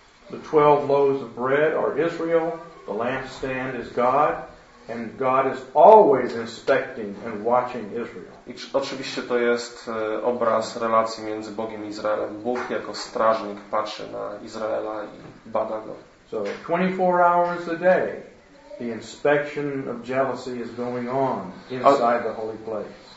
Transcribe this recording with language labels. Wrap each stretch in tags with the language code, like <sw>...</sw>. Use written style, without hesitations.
<en>The 12 loaves of bread are Israel. The lampstand is God, and God is always inspecting and watching Israel.</en> <pl>I oczywiście to jest obraz relacji między Bogiem i Izraelem. Bóg jako strażnik patrzy na Izraela i bada go.</pl> <en>So 24 hours a day, the inspection of jealousy is going on inside the holy place.</en>